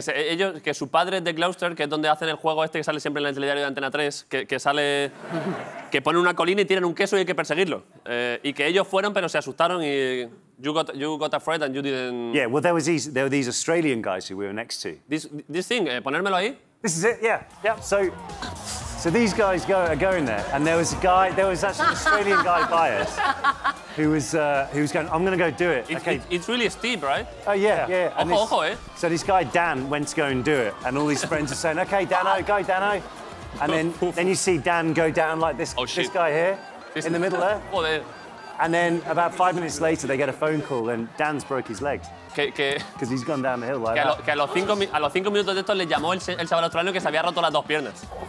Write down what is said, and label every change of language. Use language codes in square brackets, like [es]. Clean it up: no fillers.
[es] Que, ellos, que su padre de Gloucester, que es donde hacen el juego este que sale siempre en el telediario de Antena 3, que sale... que ponen una colina y tienen un queso y hay que perseguirlo. Y que ellos fueron, pero se asustaron y... [en] You got afraid and you didn't... Yeah, well, there were these Australian guys who we were next to. This thing, [es] ponérmelo ahí. [en] This is it, yeah. Yep. So these guys are going there, and there was actually an Australian guy by us who was going, I'm going to go do it. Okay. It's really steep, right? Oh, yeah. [es] Ojo, ojo, eh? [en] So this guy, Dan, went to go and do it, and all his friends are saying, okay, Dano. And then you see Dan go down like this, oh, this guy here, in the middle there. Oh, there. And then about 5 minutes later, they get a phone call, and Dan's broke his legs. Because he's gone down the hill like [es] que [en] that. [es] A los 5 minutos de esto le llamó el chaval australiano que se había roto las dos piernas.